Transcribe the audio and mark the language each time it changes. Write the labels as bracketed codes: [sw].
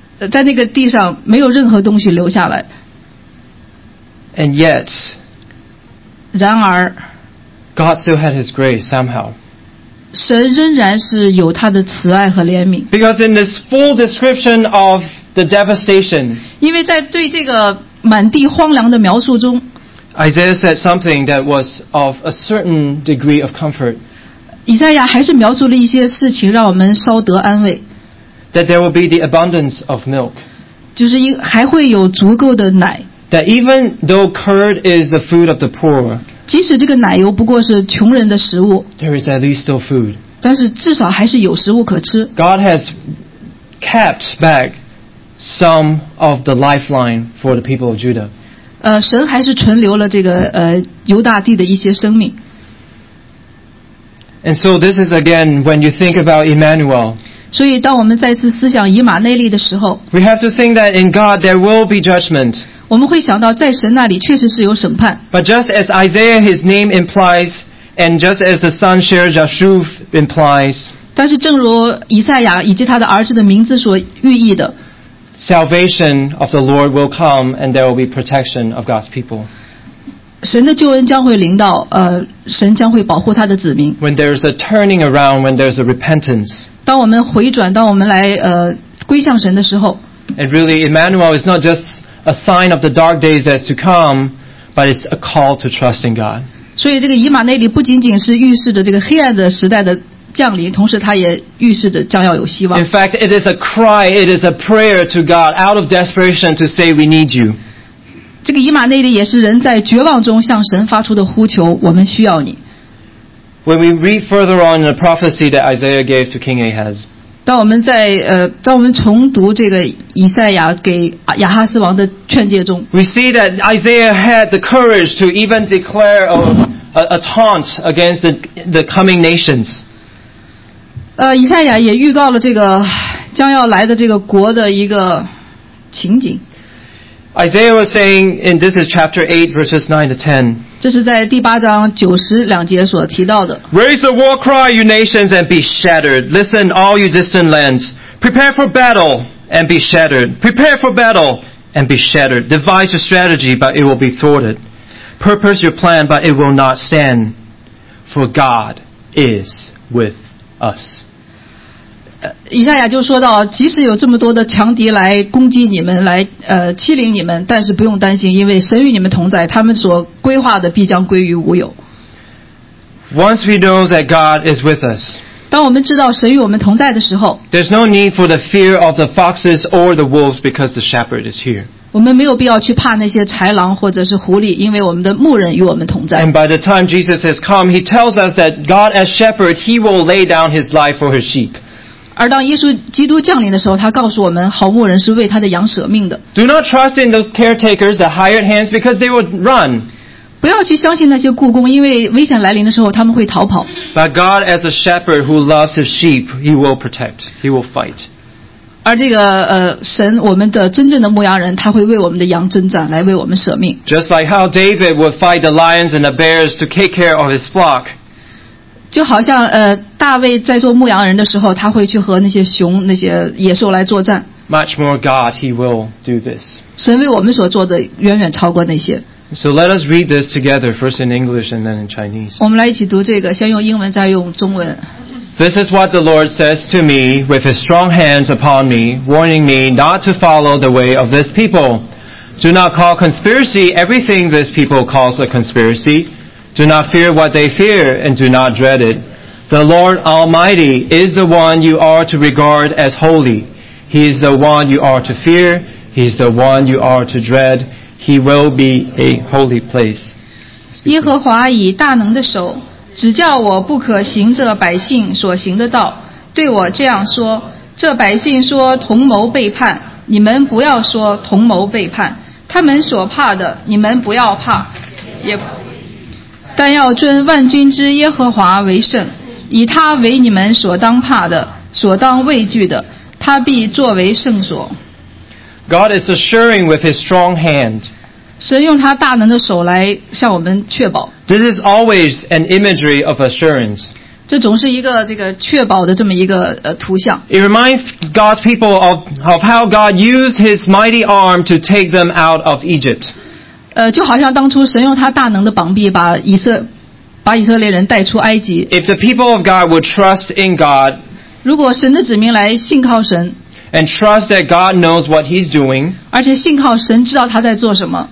[zh] 在那个地上没有任何东西留下来。 [en] And yet, [zh] 然而 [en] God still had His grace somehow. [zh] 神仍然是有他的慈爱和怜悯。 [en] Because in this full description of the devastation, [zh] 因为在对这个满地荒凉的描述中 [en] ，Isaiah said something that was of a certain degree of comfort. [zh] 以赛亚还是描述了一些事情，让我们稍得安慰。 [en] That there will be the abundance of milk. [zh] 就是还会有足够的奶。 [en] That even though curd is the food of the poor, [zh] 即使这个奶油不过是穷人的食物 [en] there is at least still food. [zh] 但是至少还是有食物可吃 [en] God has kept back some of the lifeline for the people of Judah. [zh] 神还是存留了这个犹大地的一些生命 [en] And so this is again when you think about Emmanuel. [zh] 所以当我们再次思想以马内利的时候 [en] We have to think that in God there will be judgment. [zh] 我们会想到在神那里确实是有审判 [en] But just as Isaiah his name implies and just as the son Sher Jashuv implies [zh] 但是正如以赛亚以及他的儿子的名字所寓意的 [en] Salvation of the Lord will come and there will be protection of God's people. [zh] 神的救恩将会临到神将会保护他的子民 [en] When there is a turning around, when there is a repentance, [zh] 当我们回转，当我们来归向神的时候 [en] ，And really, Emmanuel is not just a sign of the dark days that's to come, but it's a call to trust in God. [zh] 所以这个以马内利不仅仅是预示着这个黑暗的时代的降临，同时它也预示着将要有希望。 [en] In fact, it is a cry, it is a prayer to God out of desperation to say we need you. [zh] 这个以马内利也是人在绝望中向神发出的呼求，我们需要你。 [en] When we read further on the prophecy that Isaiah gave to King Ahaz, [zh] 当我们重读这个以赛亚给亚哈斯王的劝诫中， [en] we see that Isaiah had the courage to even declare a taunt against the coming nations. [zh] 以赛亚也预告了这个将要来的这个国的一个情景。 [en] Isaiah was saying, and this is chapter 8, verses 9 to 10. [zh] 这是在第八章九十两节所提到的。 [en] Raise the war cry, you nations, and be shattered. Listen, all you distant lands. Prepare for battle, and be shattered. Prepare for battle, and be shattered. Devise your strategy, but it will be thwarted. Purpose your plan, but it will not stand. For God is with us. [zh] 以赛亚就说到，即使有这么多的强敌来攻击你们，来欺凌你们，但是不用担心，因为神与你们同在，他们所规划的必将归于无有。 [en] Once we know that God is with us, [zh] 当我们知道神与我们同在的时候， [en] there's no need for the fear of the foxes or the wolves because the shepherd is here. [zh] 我们没有必要去怕那些豺狼或者是狐狸，因为我们的牧人与我们同在。 [en] And by the time Jesus has come, he tells us that God as shepherd, he will lay down his life for his sheep. [zh] 而当耶稣基督降临的时候，他告诉我们，好牧人是为他的羊舍命的。 [en] Do not trust in those caretakers, the hired hands, because they will run. [zh] 不要去相信那些雇工，因为危险来临的时候，他们会逃跑。 [en] But God, as a shepherd who loves his sheep, he will protect. He will fight. [zh] 而这个神，我们的真正的牧羊人，他会为我们的羊征战，来为我们舍命。 [en] Just like how David would fight the lions and the bears to take care of his flock. [zh] 就好像大卫在做牧羊人的时候，他会去和那些熊、那些野兽来作战。 [en] Much more God, he will do this. [zh] 神为我们所做的远远超过那些。 [en] So let us read this together, first in English and then in Chinese. [zh] 我们来一起读这个，先用英文，再用中文。 [en] This is what the Lord says to me, with his strong hands upon me, warning me not to follow the way of this people. Do not call conspiracy everything this people calls a conspiracy. Do not fear what they fear, and do not dread it. The Lord Almighty is the one you are to regard as holy. He is the one you are to fear. He is the one you are to dread. He will be a holy place. [zh] 耶和华以大能的手，指教我不可行这百姓所行的道，对我这样说，这百姓说同谋背叛，你们不要说同谋背叛。他们所怕的，你们不要怕，也但要尊万军之耶和华为圣，以他为你们所当怕的，所当畏惧的，他必作为圣所。 [en] God is assuring with his strong hand. [zh] 神用他大能的手来向我们确保。 [en] This is always an imagery of assurance. [zh] 这总是一个这个确保的这么一个图像。 [en] It reminds God's people of how God used his mighty arm to take them out of Egypt. [zh] 就好像当初神用他大能的膀臂把以色列人带出埃及。 [en] If the people of God would trust in God, [zh] 如果神的子民来信靠神， [en] and trust that God knows what he's doing, [zh] 而且信靠神知道他在做什么，